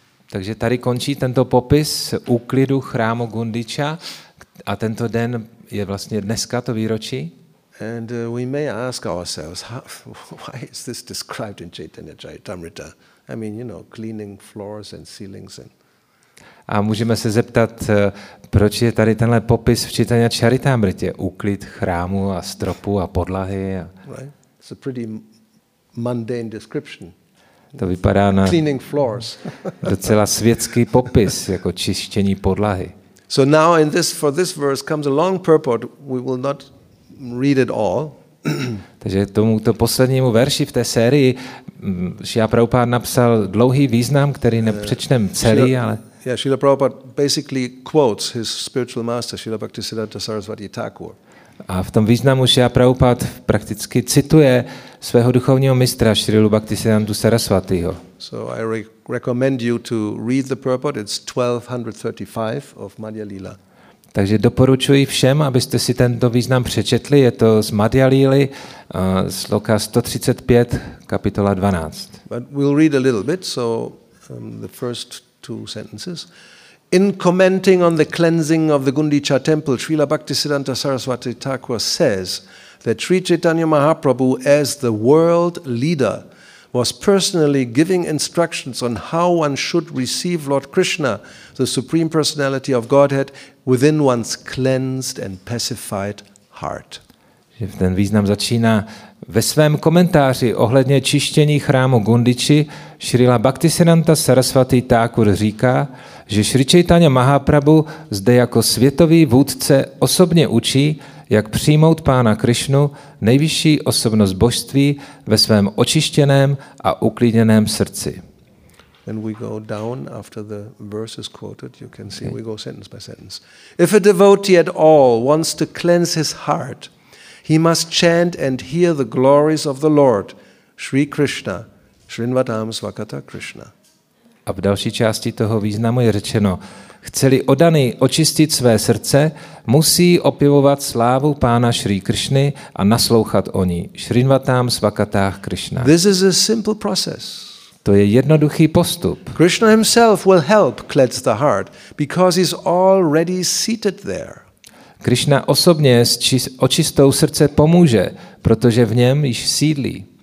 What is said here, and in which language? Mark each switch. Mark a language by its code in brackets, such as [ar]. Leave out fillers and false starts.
[cs] Takže tady končí tento popis úklidu chrámu Gundicha. A tento den je vlastně dneska to výročí. [en] And we may ask ourselves, why is this described in Chaitanya Charitamrita? I mean, you know, cleaning floors and ceilings. And... [cs] A můžeme se zeptat, proč je tady tenhle popis v Chaitanya Charitamritě? Úklid chrámu a stropu a podlahy. A... [en] Right. It's a pretty mundane description. [cs] To vypadá na [en] cleaning floors. [cs] Docela světský popis, jako čištění podlahy. [en] So now in this for this verse comes a long purport. We will not read it all. [cs] Takže tomuto poslednímu verši v té sérii Srila Prabhupada napsal dlouhý význam, který nepřečtem celý, ale [en] yeah, Srila Prabhupada basically quotes his spiritual master Srila Bhaktisiddhanta Sarasvati Thakur. [cs] A v tom významu Srila Prabhupada prakticky cituje svého duchovního mistra Srilu Bhaktisiddhantu Sarasvatiho. [en] So I recommend you to read the purport. It's 1235 of Madhya Lila. [cs] Takže doporučuji všem, abyste si tento význam přečetli. Je to z Madhya Lily, sloka 135, kapitola 12. [en] But we'll read a little bit, so the first two sentences. In commenting on the cleansing of the Gundicha temple, Srila Bhaktisiddhanta Sarasvati Thakur says that Sri Chaitanya Mahaprabhu, as the world leader, was personally giving instructions on how one should receive Lord Krishna, the Supreme Personality of Godhead, within one's cleansed and pacified heart. [cs] Ten význam začíná. Ve svém komentáři ohledně čištění chrámu Gundichi, Srila Bhaktisiddhanta Sarasvati Thakur říká, že Sri Chaitanya Mahaprabhu zde jako světový vůdce osobně učí, jak přijmout pána Krišnu, nejvyšší osobnost božství, ve svém očištěném a uklidněném srdci. [en] And we go down after the verse is quoted, you can see, okay. We go sentence by sentence. If a devotee at all wants to cleanse his heart, he must chant and hear the glories of the Lord, Sri Krishna, [sa] Srinvatam Svakata Krishna. [cs] A v další části toho významu je řečeno, chce-li oddaný očistit své srdce, musí opěvovat slávu pána Šrí Kršny a naslouchat o ní. [sa] Šrinvatám svakatách Kršna. [en] This is a simple process. [cs] To je jednoduchý postup. [en] Krishna himself will help cleanse the heart because he's already seated there. [cs] Krishna osobně s očistou srdce pomůže, protože v něm již sídlí.